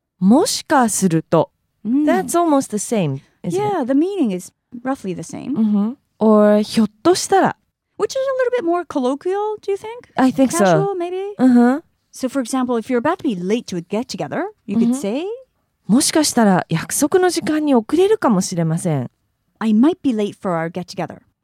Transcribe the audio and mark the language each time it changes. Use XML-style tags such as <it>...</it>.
<en>もしかすると.That's almost the same, isn't yeah, it? Yeah, the meaning is roughly the same. Mm-hmm. Or ひょっとしたら. Which is a little bit more colloquial, do you think? I think casual, so. Casual, maybe? Uh-huh. So, for example, if you're about to be late to a get-together, you mm-hmm. could say</en> <ja>もしかしたら約束の時間に遅れるかもしれません.</ja> <en>I might be late for our get-together.</en>